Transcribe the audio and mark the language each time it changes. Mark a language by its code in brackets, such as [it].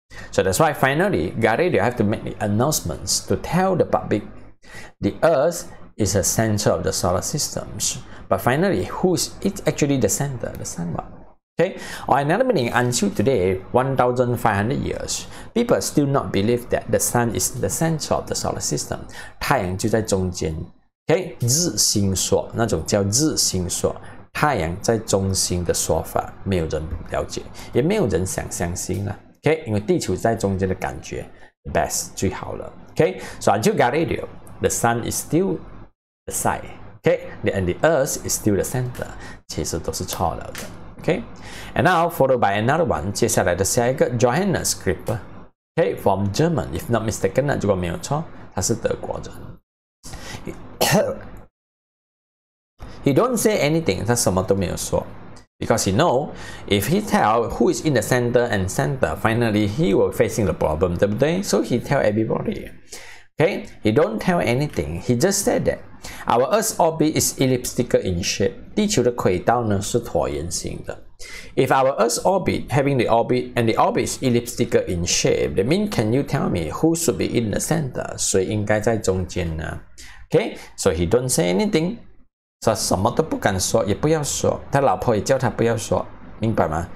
[en] So that's why finally Galileo have to make the announcements to tell the public the earth is the center of the solar systems. But finally, who is it actually the center? The sun. Okay, or another meaning, until today, 1500 years, people still not believe that the sun is the center of the solar system. [zh] 太阳就在中间. Okay, 日心说, 那种叫日心说, 太阳在中心的说法, 没有人了解, 也没有人想相信了. Okay, 因为地球在中间的感觉, best, 最好了. [en] Okay, so until Galileo, the sun is still the side. Okay, and the earth is still the center. [zh] 其实都是错了的. [en] Okay, and now followed by another one, [zh] 接下来的下一个, [en] Johannes Kepler, okay, from German, if not mistaken, [zh] 如果没有错, 他是德国人. [en] He don't say anything, [zh] 他什么都没有说, [en] because he know, if he tell who is in the center and center, finally he will facing the problem, [zh] 对不对? [en] So he tell everybody, okay, he don't tell anything, he just said that, our Earth's orbit is elliptical in shape. [zh] 地球的轨道呢是椭圆形的. [en] If our Earth's orbit having the orbit and the orbit is elliptical in shape, that means can you tell me who should be in the center? [zh] 谁应该在中间呢? [en] Okay, so he don't say anything. [zh] 他什么都不敢说, 也不要说.他老婆也叫他不要说, 明白吗?